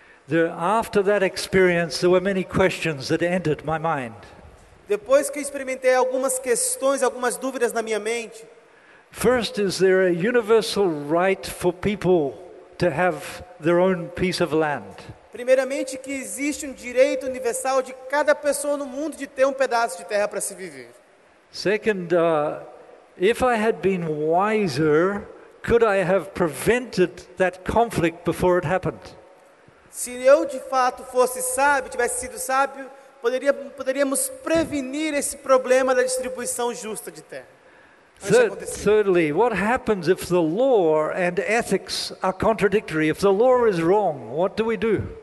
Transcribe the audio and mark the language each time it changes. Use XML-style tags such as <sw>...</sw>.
<en>After that experience, there were many questions that entered my mind.</en> <pt>Depois que experimentei algumas questões, algumas dúvidas na minha mente.</pt> <en>First, is there a universal right for people to have their own piece of land?</en> <pt>Primeiramente, que existe direito universal de cada pessoa no mundo de ter pedaço de terra para se viver.</pt> <en>Second, if I had been wiser, could I have prevented that conflict before it happened?</en> <pt>Se eu de fato fosse sábio, tivesse sido sábio, poderíamos prevenir esse problema da distribuição justa de terra.</pt> <en>Thirdly, what happens if the law and ethics are contradictory? If the law is wrong, what do we do?</en>